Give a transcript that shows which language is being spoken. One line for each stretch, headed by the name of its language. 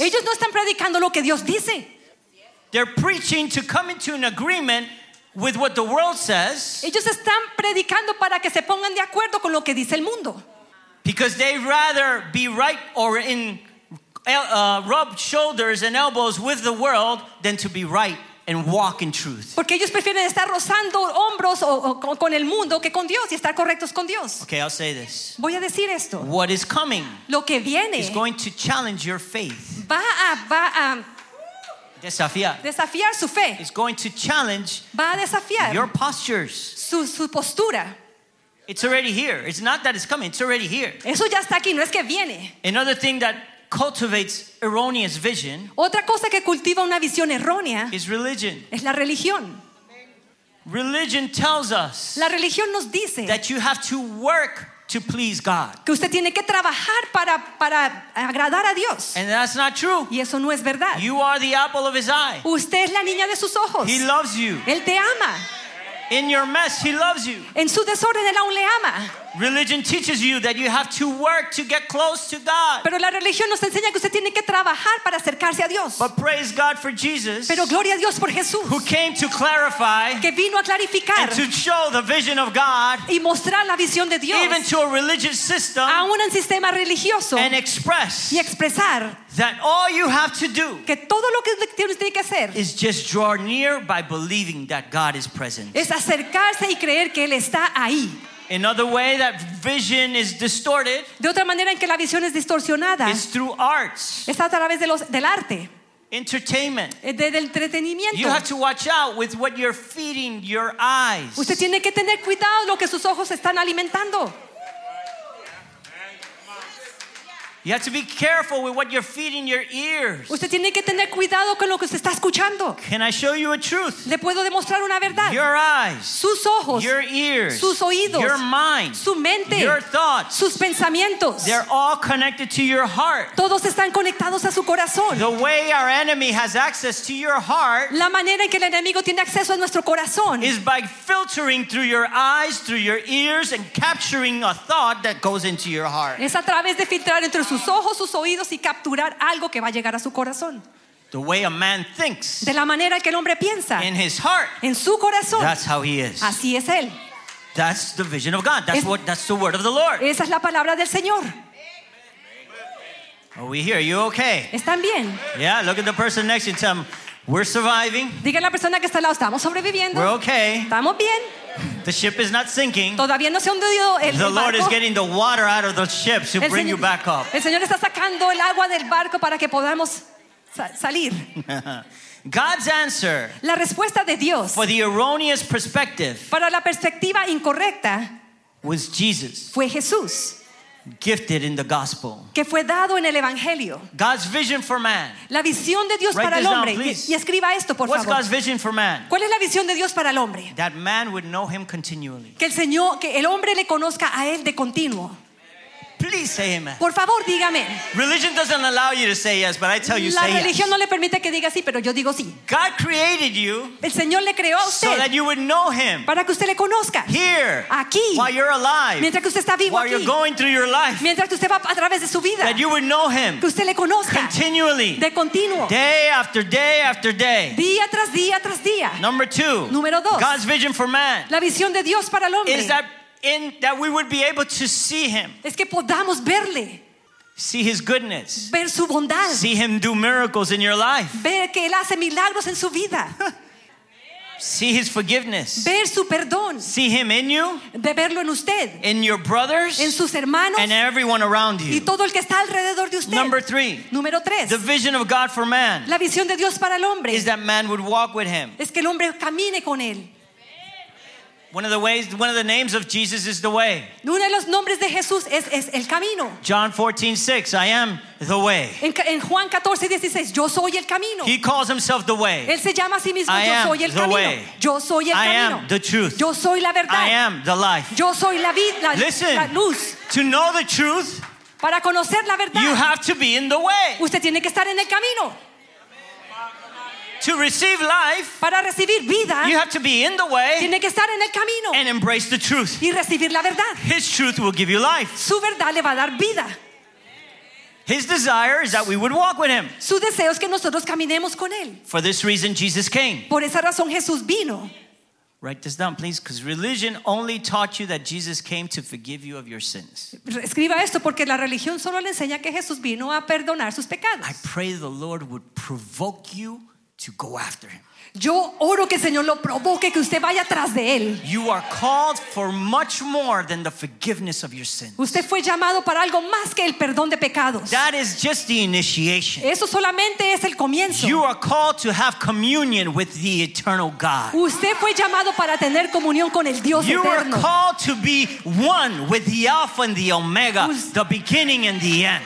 Spanish: Ellos no están predicando lo que Dios dice.
English: They're preaching to come into an agreement with what the world says.
Spanish: Ellos están predicando para que se pongan de acuerdo con lo que dice el mundo.
English: Because they'd rather be right or in rub shoulders and elbows with the world than to be right and walk in truth.
Spanish: Porque ellos prefieren estar rozando hombros o con el mundo que con Dios y estar correctos con Dios.
English: Okay, I'll say this.
Spanish: Voy a decir esto.
English: What is coming?
Spanish: Lo que viene
English: is going to challenge your faith.
Spanish: Va a desafiar su fe.
English: It's going to challenge,
Spanish: va a desafiar
English: your postures.
Spanish: Su postura.
English: It's already here. It's not that it's coming. It's already here.
Spanish: Eso ya está aquí. No es que viene.
English: Another thing that cultivates erroneous vision.
Spanish: Otra cosa que cultiva una visión errónea
English: is religion.
Spanish: Es la religión.
English: Religion tells us,
Spanish: la religión nos dice,
English: that you have to work to please God.
Spanish: Que usted tiene que trabajar para agradar a Dios.
English: And that's not true.
Spanish: Y eso no es verdad.
English: You are the apple of his eye.
Spanish: Usted es la niña de sus ojos.
English: He loves you.
Spanish: Él te ama.
English: In your mess, he loves you.
Spanish: En su desorden, él aún le ama.
English: Religion teaches you that you have to work to get close to God.
Spanish: Pero la religión nos enseña que usted tiene que trabajar para acercarse a Dios.
English: But praise God for Jesus.
Spanish: Pero gloria a Dios por Jesús.
English: Who came to clarify?
Spanish: Que vino a clarificar.
English: And to show the vision of God.
Spanish: Y mostrar la visión de Dios.
English: Even to a religious system.
Spanish: A un sistema religioso.
English: And express.
Spanish: Y expresar.
English: That all you have to do.
Spanish: Que todo lo que tiene que hacer.
English: Is just draw near by believing that God is present.
Spanish: Es acercarse y creer que él está ahí.
English: Another way that vision is distorted.
Spanish: De otra manera en que la visión es distorsionada.
English: Is through arts.
Spanish: Es a través de del arte.
English: Entertainment.
Spanish: Del entretenimiento.
English: You have to watch out with what you're feeding your eyes.
Spanish: Usted tiene que tener cuidado lo que sus ojos están alimentando.
English: You have to be careful with what you're feeding your ears.
Spanish: Usted tiene que tener cuidado con lo que se está escuchando.
English: Can I show you a truth?
Spanish: ¿Le puedo demostrar una verdad?
English: Your eyes.
Spanish: Sus ojos.
English: Your ears.
Spanish: Sus oídos.
English: Your mind.
Spanish: Su mente.
English: Your thoughts.
Spanish: Sus pensamientos.
English: They're all connected to your heart.
Spanish: Todos están conectados a su corazón.
English: The way our enemy has access to your heart.
Spanish: La manera en que el enemigo tiene acceso a nuestro corazón.
English: Is by filtering through your eyes, through your ears, and capturing a thought that goes into your heart.
Spanish: Es a través de filtrar entre sus ojos, sus oídos y capturar algo que va a llegar a su corazón.
English: The way a man thinks.
Spanish: De la manera que el hombre piensa.
English: In his heart.
Spanish: En su corazón.
English: That's how he is.
Spanish: Así es él.
English: That's the vision of God. That's the word of the Lord.
Spanish: Esa es la palabra del Señor.
English: Are we here? Are you okay?
Spanish: ¿Están bien?
English: Yeah, look at the person next to you and tell them, we're surviving.
Spanish: Diga a la persona que está al lado, estamos sobreviviendo.
English: We're okay.
Spanish: Estamos bien.
English: The ship is not sinking.
Spanish: Todavía no se hundió el barco.
English: The Lord is getting the water out of the ship to bring you back up.
Spanish: El Señor está sacando el agua del barco para que podamos salir.
English: God's answer.
Spanish: La respuesta de Dios.
English: For the erroneous perspective.
Spanish: Para la perspectiva incorrecta.
English: Was Jesus.
Spanish: Fue Jesús.
English: Gifted in the gospel.
Spanish: Que fue dado en el evangelio.
English: God's vision for man.
Spanish: La visión de Dios para el hombre. Y escriba esto, por favor.
English: What's God's vision for man?
Spanish: ¿Cuál es la visión de Dios para el hombre?
English: That man would know him continually.
Spanish: Que el Señor, que el hombre le conozca a él de continuo.
English: Please say amen.
Spanish: Por favor, dígame.
English: Religion doesn't allow you to say yes, but I tell you
Spanish: la
English: say yes.
Spanish: La religión no le permite que diga sí, pero yo digo sí.
English: God created you.
Spanish: El Señor le creó a usted.
English: So that you would know him.
Spanish: Para que usted le conozca.
English: Here.
Spanish: Aquí.
English: While you're alive.
Spanish: Mientras que usted está vivo
English: while
Spanish: aquí.
English: While you're going through your life.
Spanish: Mientras que usted va a través de su vida.
English: That you would know him.
Spanish: Que usted le conozca.
English: Continually.
Spanish: De continuo.
English: Day after day after day.
Spanish: Día tras día tras día.
English: Number two.
Spanish: Número dos.
English: God's vision for man.
Spanish: La visión de Dios para el hombre.
English: Is that in that we would be able to see him.
Spanish: Es que podamos verle.
English: See his goodness.
Spanish: Ver su bondad.
English: See him do miracles in your life.
Spanish: Ver que él hace milagros en su vida.
English: See his forgiveness.
Spanish: Ver su perdón.
English: See him in you.
Spanish: De verlo en usted.
English: In your brothers.
Spanish: En sus hermanos.
English: And everyone around you.
Spanish: Y todo el que está alrededor de usted.
English: Number three.
Spanish: Número tres.
English: The vision of God for man.
Spanish: La visión de Dios para el hombre.
English: Is that man would walk with him.
Spanish: Es que el hombre camine con él.
English: One of the ways, one of the names of Jesus is the way.
Spanish: Uno de los nombres de Jesús es el camino.
English: John 14:6, I am the way.
Spanish: En Juan 14:16, yo soy el camino.
English: He calls himself the way.
Spanish: Él se llama a sí mismo, yo soy el camino.
English: Way.
Spanish: Yo soy el
English: I
Spanish: camino.
English: Am the truth.
Spanish: Yo soy la verdad.
English: I am the life.
Spanish: Yo soy la vida,
English: listen,
Spanish: la luz.
English: To know the truth,
Spanish: para conocer la verdad,
English: you have to be in the way.
Spanish: Usted tiene que estar en el camino.
English: To receive life,
Spanish: para recibir vida,
English: you have to be in the way,
Spanish: tiene que estar en el camino,
English: and embrace the truth,
Spanish: y recibir la verdad.
English: His truth will give you life.
Spanish: Su verdad le va a dar vida.
English: His desire is that we would walk with him.
Spanish: Su deseo es que nosotros caminemos con él.
English: For this reason, Jesus came.
Spanish: Por esa razón Jesús vino.
English: Write this down, please, because religion only taught you that Jesus came to forgive you of your sins.
Spanish: Escriba esto porque la religión solo le enseña que Jesús vino a perdonar sus pecados.
English: I pray the Lord would provoke you to go after him.
Spanish: Yo oro que el Señor lo provoque que usted vaya tras de él.
English: You are called for much more than the forgiveness of your sins.
Spanish: Usted fue llamado para algo más que el perdón de pecados.
English: That is just the initiation.
Spanish: Eso solamente es el comienzo.
English: You are called to have communion with the eternal God.
Spanish: Usted fue llamado para tener comunión con el Dios
English: you
Spanish: eterno.
English: You are called to be one with the Alpha and the Omega, the beginning and the end.